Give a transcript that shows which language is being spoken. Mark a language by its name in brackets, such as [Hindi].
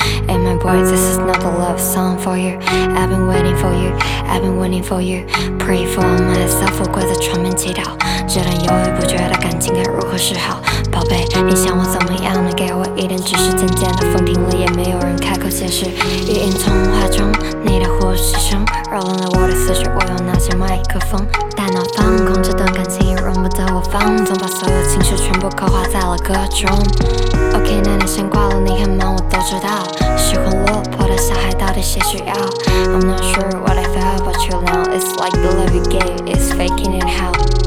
[English] Hey my boy, this is not a love song for you. I've been waiting for you, I've been waiting for you. Pray for myself, [Chinese] 我跪在窗边祈祷，这段犹豫不决的感情该如何是好。宝贝，你想我怎么样呢？给我一点指示，渐渐的风停了，也没有人开口解释。语音通话中你的呼吸声扰乱了我的思绪，我又拿起麦克风，大脑放空，这段感情也容不得我放纵，把所有情绪全部刻画在了歌中。 OK, 那你先挂了，你很忙我都知道，喜欢落魄的小孩到底谁需要。 [English] I'm not sure what I feel about you now. It's like the love you gave is faking it out.